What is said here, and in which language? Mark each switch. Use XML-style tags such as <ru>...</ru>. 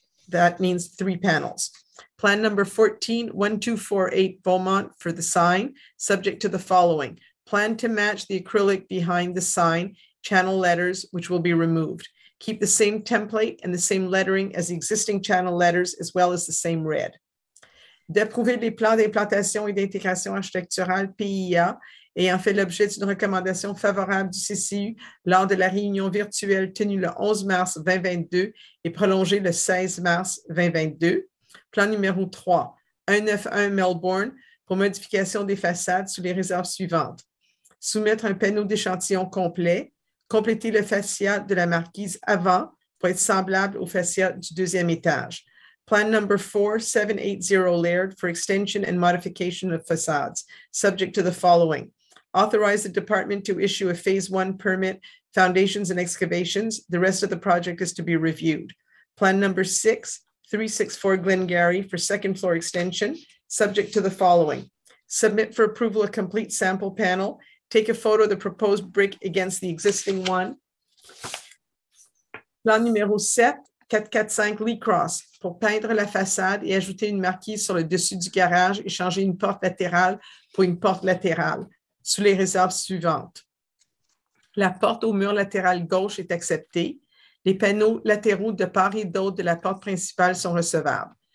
<en>That means three panels. Plan number 14, 1248 Beaumont for the sign, subject to the following. Plan to match the acrylic behind the sign, channel letters, which will be removed. Keep the same template and the same lettering as the existing channel letters, as well as the same red.</en> <fr>D'approuver les plans d'implantation et d'intégration architecturale PIA ayant fait l'objet d'une recommandation favorable du CCU lors de la réunion virtuelle tenue le 11 mars 2022 et prolongée le 16 mars 2022. Plan numéro 3, 191 Melbourne pour modification des façades sous les réserves suivantes. Soumettre un panneau d'échantillon complet. Compléter le fascia de la marquise avant pour être semblable au fascia du deuxième étage.</fr> <en>Plan number 4, 780 Laird for extension and modification of facades, subject to the following. authorize the department to issue a phase one permit, foundations and excavations. The rest of the project is to be reviewed. Plan number 6364 Glengarry for second floor extension, subject to the following. Submit for approval a complete sample panel. Take a photo of the proposed brick against the existing one.</en> <fr>Plan numéro 7445 Lee Cross pour peindre la façade et ajouter une marquise sur le dessus du garage et changer une porte latérale pour une porte latérale, sous les réserves suivantes. La porte au mur latéral gauche est acceptée. Les panneaux latéraux de part et d'autre de la porte principale sont recevables.</fr>